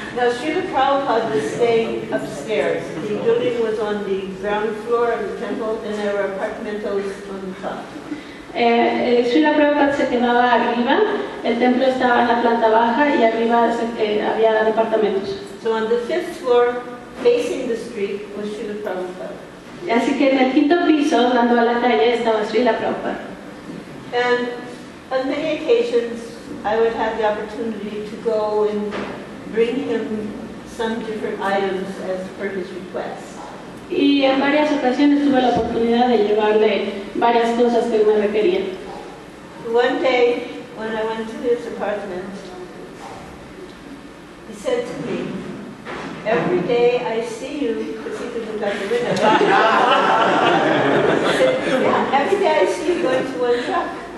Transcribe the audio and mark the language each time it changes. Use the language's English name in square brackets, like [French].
[English] Now Srila Prabhupada was staying upstairs. The building was on the ground floor of the temple and there were apartmentos on the top. [Spanish] Srila Prabhupada se quedaba arriba, el templo estaba en la planta baja y arriba había departamentos. [English] So on the 5th floor, facing the street, was Srila Prabhupada. [Spanish] Así que en el 5º piso, dando a la calle, estaba Srila Prabhupada. [English] And on many occasions, I would have the opportunity to go and bring him some different items as per his request. [Spanish] Y en varias ocasiones tuve la oportunidad de llevarle varias cosas que me requerían. [English] One day, when I went to his apartment, he said to me, "Every day I see you," because he could look out the window. He said, "Yeah, every day I see you going to one truck."